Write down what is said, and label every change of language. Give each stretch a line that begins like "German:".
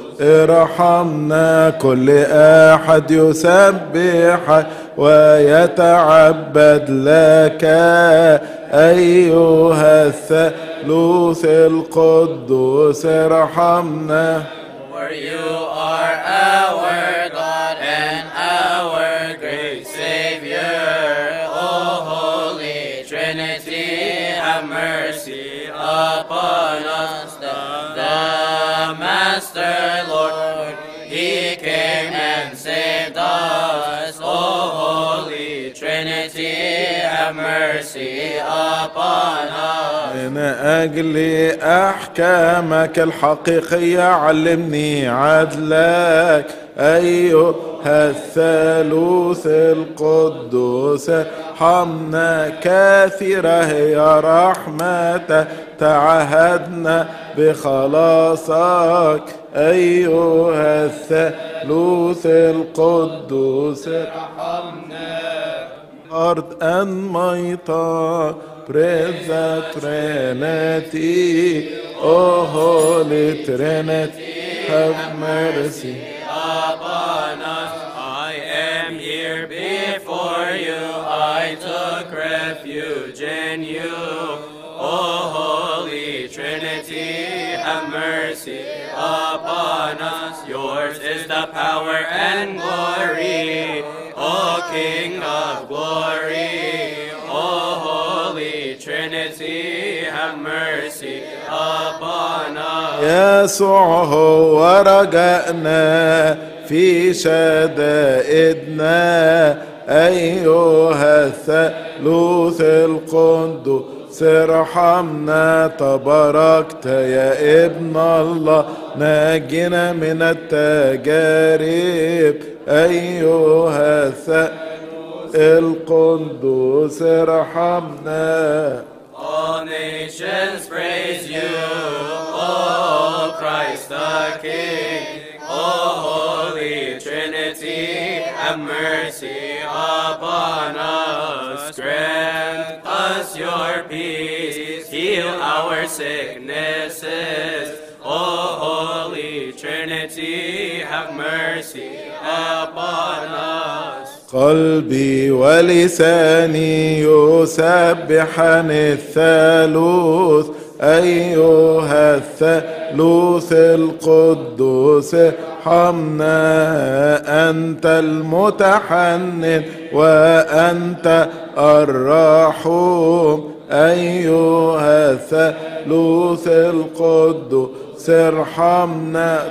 Arabic: ارحمنا كل احد يسبح ويتعبد لك ايها الثالوث القدوس ارحمنا.
English: For you are our God and our great Savior, O Holy Trinity, have mercy upon us.
Arabic: من أجل أحكامك الحقيقية علمني عدلك أيها الثالوث القدوس ارحمنا. كثيرة هي رحمتك تعهدنا بخلاصك أيها الثالوث القدوس ارحمنا.
English: Lord, and my thought, praise the Trinity, O Holy Trinity, have mercy upon us. I am here before you, I took refuge in you, O Holy Trinity, have mercy upon us. Yours is the power and glory, O King of glory, O Holy Trinity, have mercy upon us.
Arabic: يسوع هو رجائنا في شدائدنا أيها الثالوث القدوس ارحمنا. تباركت يا ابن الله ناجنا من التجارب أيها القدوس ارحمنا.
English: All nations praise you, O Christ the King, O Holy Trinity, have mercy upon us. Grant us your peace, heal our sicknesses, O Holy Trinity, have mercy upon us.
Arabic: قلبي ولساني يسبحان الثالوث أيها الثالوث القدوس ارحمنا. أنت المتحنن وأنت الرحوم أيها الثالوث القدوس ارحمنا.